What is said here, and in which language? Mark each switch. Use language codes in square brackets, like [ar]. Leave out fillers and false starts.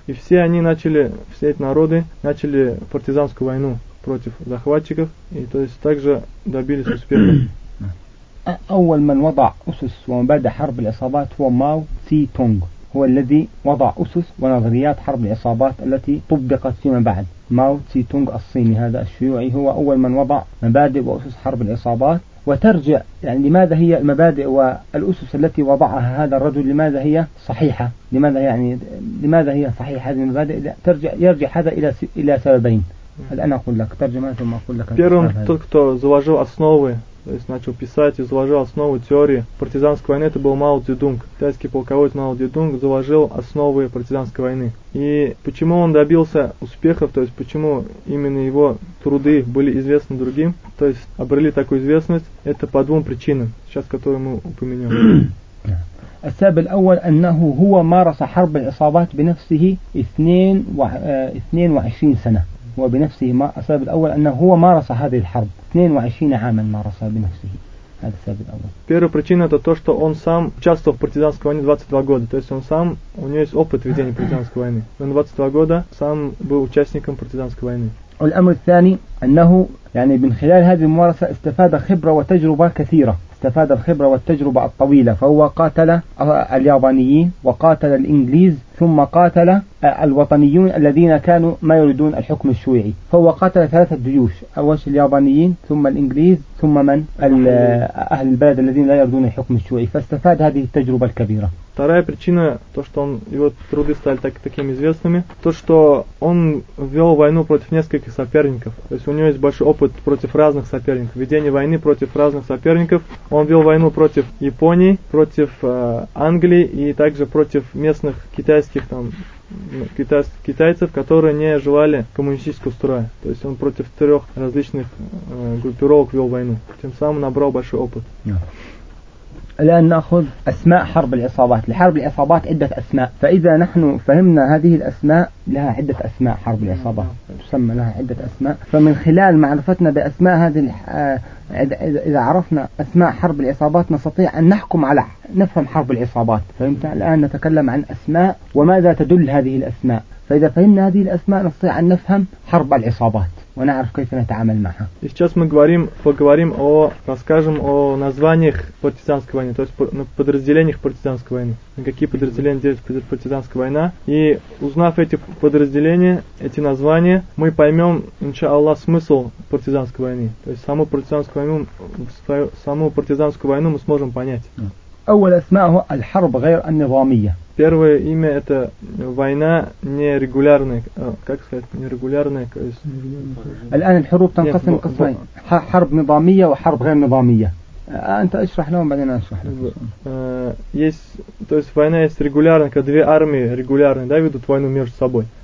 [ru] И все они начали, все эти народы начали партизанскую войну против захватчиков, и то есть также добились успеха. [ar] أول من وضع أسس ومبادئ حرب العصابات هو ماو سي تونغ هو الذي وضع أسس ونظريات حرب العصابات التي طبقت فيما بعد ماو سي تونغ الصيني هذا الشيوعي هو أول من وضع مبادئ وأسس حرب العصابات وترجع يعني لماذا هي المبادئ والأسس التي وضعها هذا الرجل لماذا هي صحيحة لماذا يعني لماذا هي صحيحة هذه المبادئ ترجع يرجع هذا إلى سببين الآن أقول لك ترجمة ثم أقول لك [ru] первым тот кто заложил основы То есть начал писать и заложил основы теории партизанской войны, это был Мао Цзэдун. Китайский полководец Мао Цзэдун заложил основы партизанской войны. И почему он добился успехов, то есть почему именно его труды были известны другим, то есть обрели такую известность, это по двум причинам, сейчас которые мы упомянем. [ar] السبب الأول أنه هو مارس حرب العصابات بنفسه 22 سنة. وبنفسه ما السبب الأول أنه هو مارس هذه الحرب 22 عاما مارس بنفسه هذا السبب الأول. [ru] Первая причина это то, что он сам участвовал в партизанской войне 22 года, то есть он сам у него есть опыт ведения партизанской войны. Он 22 года сам был участником партизанской войны. [ar] والأمر الثاني أنه يعني من خلال هذه الممارسة استفاد خبرة وتجربة كثيرة. استفاد الخبرة والتجربة الطويلة فهو قاتل اليابانيين وقاتل الإنجليز ثم قاتل الوطنيون الذين كانوا ما يريدون الحكم الشيوعي فهو قاتل ثلاثة جيوش أول اليابانيين ثم الإنجليز ثم من أهل البلد الذين لا يريدون الحكم الشيوعي فاستفاد هذه التجربة الكبيرة [ru] Вторая причина, то, что он, его труды стали такими известными, то, что он вел войну против нескольких соперников. То есть у него есть большой опыт против разных соперников. Ведение войны против разных соперников. Он вел войну против Японии, против Англии и также против местных китайских там китайцев, которые не желали коммунистического строя. То есть он против трех различных группировок вел войну. Тем самым набрал большой опыт. [ar] الآن نأخذ أسماء حرب العصابات لحرب العصابات عدة أسماء فإذا نحن فهمنا هذه الأسماء لها عدة أسماء حرب العصابات تسمى لها عدة أسماء فمن خلال معرفتنا بأسماء هذه إذا عرفنا أسماء حرب العصابات نستطيع أن نحكم على نفهم حرب العصابات فهمت الآن نتكلم عن أسماء وماذا تدل هذه الأسماء فإذا فهمنا هذه الأسماء نستطيع أن نفهم حرب العصابات ونعرف كيف نتعامل معها. [ru] И сейчас мы говорим, поговорим о, расскажем о названиях партизанской войны, то есть подразделениях партизанской войны. На какие подразделения делится партизанская война? И узнав эти подразделения, эти названия, мы поймем, иншааллах, смысл партизанской войны. То есть саму партизанскую войну мы сможем понять. [ar] أول أسماءه الحرب غير النظامية. [ru] Первое имя – это война нерегулярная. Как сказать? Нерегулярная. Алян, хруб там касаем касаем. Харб нидамия, харб гэм нидамия. Анта ишрах нам, бадин ишрах нам. Есть, то есть война есть регулярная, когда две армии регулярные, да, ведут войну между собой.